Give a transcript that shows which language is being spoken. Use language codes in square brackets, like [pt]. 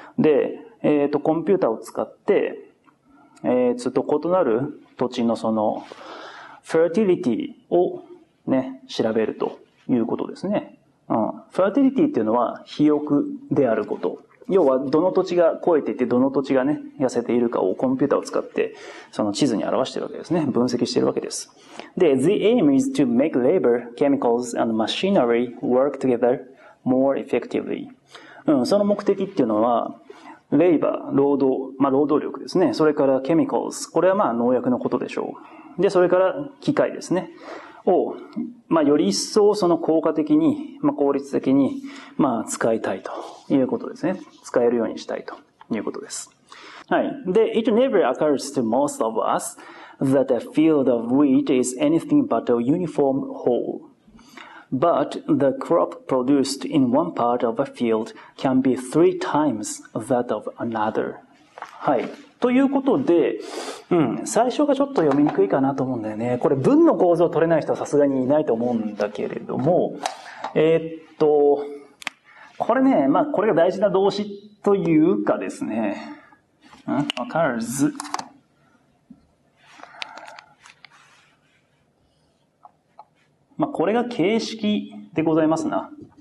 [ja] で、コンピューターを使って、ずっと異なる土地のその、フェルティリティをね、調べるということですね。うん。フェルティリティっていうのは、肥沃であること。要は、どの土地が肥えていて、どの土地がね、痩せているかをコンピューターを使って、その地図に表しているわけですね。分析しているわけです。 [en] で、The aim is to make labor, chemicals, and machinery work together more effectively. [ja] うん、その目的っていうのは、labor、労働、まあ、労働力ですね。それから chemicals。これはまあ、農薬のことでしょう。で、それから、機械ですね。を、まあ、より一層その効果的に、まあ、効率的に、まあ、使いたいということですね。使えるようにしたいということです。はい。 [en] で、it never occurs to most of us that a field of wheat is anything but a uniform whole. But the crop produced in one part of a field can be three times that of another. [ja] はい。ということで、うん、最初がちょっと読みにくいかなと思うんだよね。これ文の構造を取れない人はさすがにいないと思うんだけれども、これね、まあこれが大事な動詞というかですね、occurs まあこれが形式でございますな。